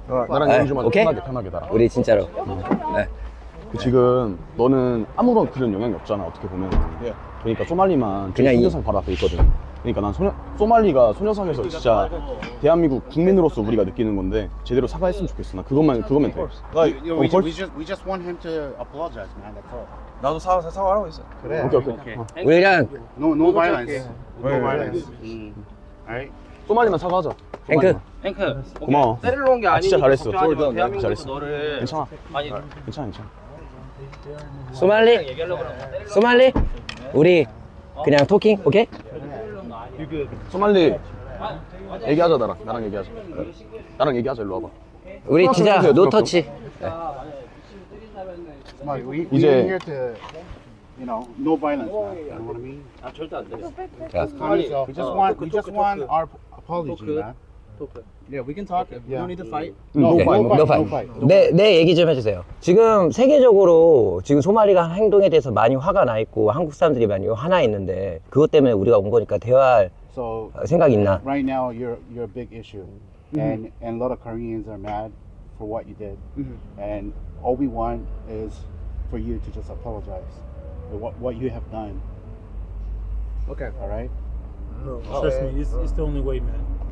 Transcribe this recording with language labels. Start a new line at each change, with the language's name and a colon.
Korean: 나랑 얘기 좀 하자. 편하게 편하게 다. 우리 진짜로. 그 지금 너는 아무런 그런 영향이 없잖아. 어떻게 보면. 그러니까 소말리만 그냥 소녀상 바로 앞에 있거든. 그러니까 난 소말리가 소녀상에서 진짜 대한민국 국민으로서 우리가 느끼는 건데 제대로 사과했으면 좋겠어. 나 그것만 돼.
English: Like, we just want him to apologize, man. That's all.
Korean: 나도 사과하고 있어. 그래. 오케이. 우리랑
English: no violence. No violence. Alright.
Korean: 소말리만 사과하자. 행크. 고마워. 때리러 온 게 아니니까. 진짜 잘했어. 대한민국 잘했어. 너를 괜찮아. 아니 괜찮아. 소말리. 소말리. 우리 그냥 토킹 오케이? 소말리 얘기하자. 나랑 얘기하자. 나랑 얘기하자. 일로 와봐. 우리 진짜 노 터치. 이제
English: no violence. You know what I mean?
Korean: 아 절대 안 돼.
English: We just want our apology, man. Yeah, we can talk. We don't need to fight. No fight.
Korean: 내 얘기 좀 해주세요. 지금 세계적으로 지금 소말리가 한 행동에 대해서 많이 화가 나 있고 한국 사람들이 많이 화나 있는데 그것 때문에 우리가 온 거니까 대화할 생각 있나?
English: Right now, you're a big issue, and a lot of Koreans are mad for what you did. And all we want is for you to just apologize for what you have done. Okay. All right. Trust me, it's the only way, man.